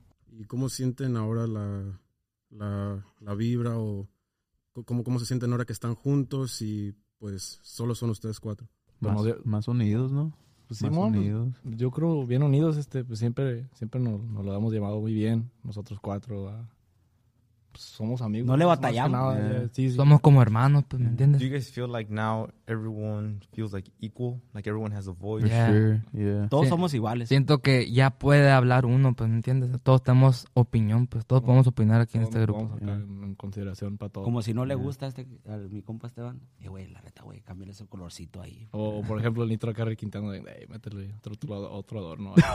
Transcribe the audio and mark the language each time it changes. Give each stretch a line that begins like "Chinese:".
Spanish: ¿Y cómo sienten ahora la vibra o cómo se sienten ahora que están juntos y pues solo son ustedes cuatro? Más unidos, ¿no? Pues sí, más unidos. Pues, yo creo bien unidos, pues siempre nos lo hemos llevado muy bien, nosotros cuatro. Pues somos amigos. No le batallamos. Nada, yeah. Sí, sí. Somos como hermanos, pues, ¿me entiendes?
English: Do you guys feel like now everyone feels like equal? Like everyone has a voice? Yeah. Sure. Yeah.
Spanish: Todos somos iguales. Siento que ya puede hablar uno, pues, ¿me entiendes? Todos tenemos opinión, pues todos podemos opinar aquí en este grupo. Vamos a sacar en consideración para todos. Como si no le gusta a mi compa Esteban. Güey, la neta, güey, cambia ese colorcito ahí. O por ejemplo, el Nitro Carri Quintano, de, hey, métele otro adorno.